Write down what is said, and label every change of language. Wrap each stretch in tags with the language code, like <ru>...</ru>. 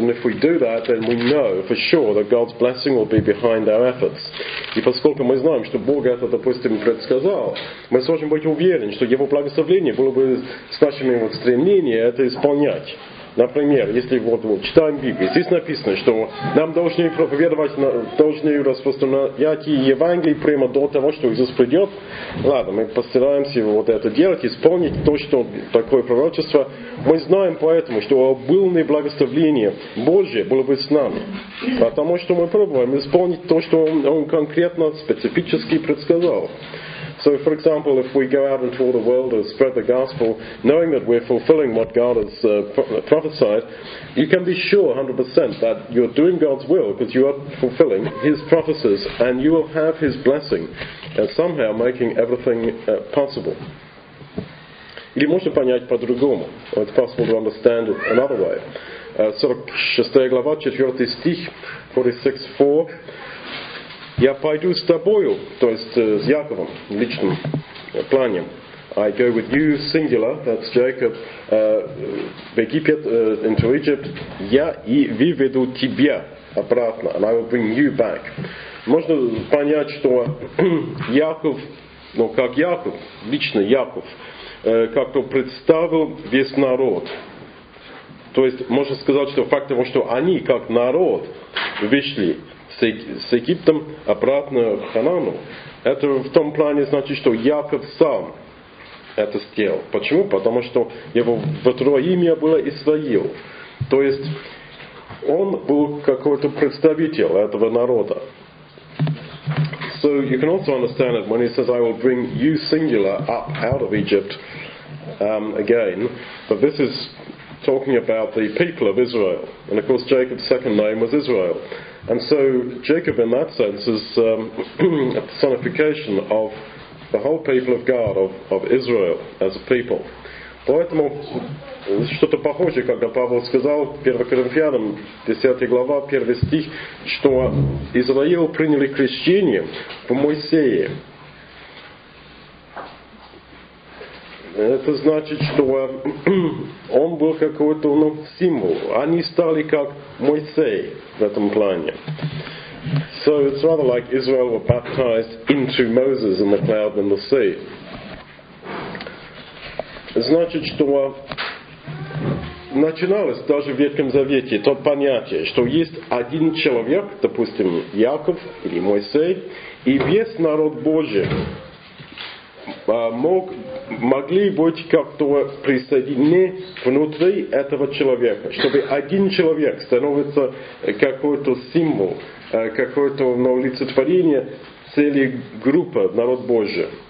<en>And if we do that, then we know for sure that God's blessing will be behind our efforts.</en> <ru>И поскольку мы знаем, что Бог это, допустим, предсказал, мы сможем быть уверены, что Его благословение было бы с нашими стремлениями это исполнять. Например, если читаем Библию, здесь написано, что нам должны проповедовать, должны распространять Евангелие прямо до того, что Иисус придет. Ладно, мы постараемся это делать, исполнить то, что такое пророчество. Мы знаем поэтому, что обильное благословение Божие было бы с нами. Потому что мы пробуем исполнить то, что Он конкретно, специфически предсказал.</ru> <en>So, for example, if we go out into all the world and spread the gospel, knowing that we're fulfilling what God has prophesied, you can be sure 100% that you're doing God's will because you are fulfilling His prophecies and you will have His blessing and somehow making everything possible.</en> <ru>Или можно понять по-другому.</ru> <en>Or it's possible to understand it another way.</en> <ru>46 глава, 4 стих, 46:4. Я пойду с тобою, то есть с Яковом, личным планом.</ru> <en>I go with you, singular, that's Jacob,</en> <ru>в Египет,</ru> <en>into Egypt.</en> <ru>Я и выведу тебя обратно,</ru> <en>and I will bring you back.</en> <ru>Можно понять, что Яков но как Яков, лично Яков, как то представил весь народ. То есть можно сказать, что факт того, что они как народ вышли с Египтом обратно в Ханану, это в том плане значит, что Яков сам это сделал. Почему? Потому что его второе имя было Исраил. То есть он был какой-то представитель этого народа.</ru> <en>So you can also understand it when he says, I will bring you singular up out of Egypt again. But this is talking about the people of Israel. And of course, Jacob's second name was Israel. And so Jacob in that sense is a personification of the whole people of God, of Israel as a people.</en> <ru>Поэтому что-то похожее, когда Павел сказал в 1 Коринфянам, 10 глава, 1 стих, что Израил приняли крещение в Моисее. Это значит, что он был какой-то символ. Они стали как Моисей в этом плане.</ru> <en>So it's rather like Israel were baptized into Moses in the cloud and the sea.</en> <ru>Значит, что начиналось даже в Ветхом Завете то понятие, что есть один человек, допустим, Яков или Моисей, и весь народ Божий могли быть как-то присоединены внутри этого человека, чтобы один человек становится какой-то символ, какое-то олицетворение целой группы народ Божий.</ru>